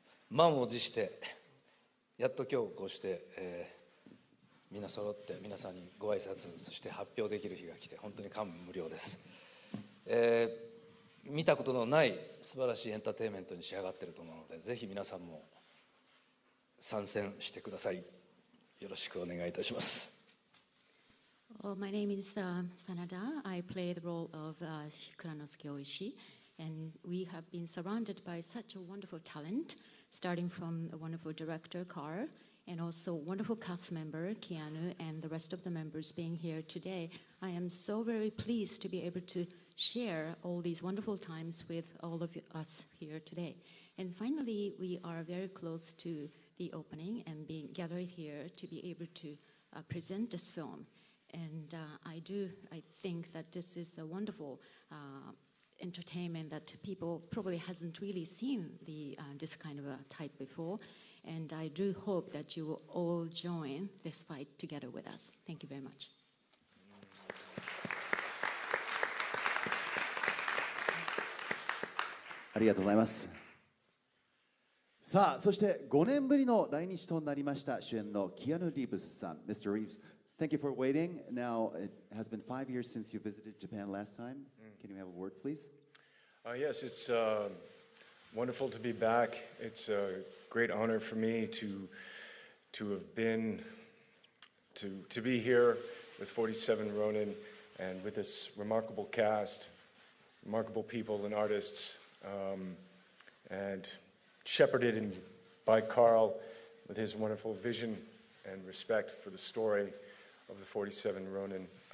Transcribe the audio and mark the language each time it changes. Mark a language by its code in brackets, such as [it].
[ja] 満を持してやっと今日こうして、みんな揃って皆さんにご挨拶そして発表できる日が来て本当に感無量です。見たことのない素晴らしいエンターテインメントに仕上がっていると思うので、ぜひ皆さんも参戦してください。よろしくお願いいたします。 [en] Oh, my name is Sanada. I play the role of Kuranosuke Oishi, and we have been surrounded by such a wonderful talent, starting from a wonderful director, Carl, and also wonderful cast member, Keanu, and the rest of the members being here today. I am so very pleased to be able toshare all these wonderful times with all of us here today. And finally, we are very close to the opening and being gathered here to be able to present this film. And I think that this is a wonderful entertainment that people probably hasn't really seen this kind of a type before. And I do hope that you will all join this fight together with us. Thank you very much. [ja] ありがとうございます。さあ、そして5年ぶりの来日となりました主演のキアヌ・リーブスさん。 [en] Mr. Reeves, thank you for waiting. Now it has been 5 years since you visited Japan last time. Can you have a word, please? Yes, it's wonderful to be back. It's a great honor for me to be here with 47 Ronin and with this remarkable cast, remarkable people and artistsand shepherded in by Carl with his wonderful vision and respect for the story of the 47 Ronin.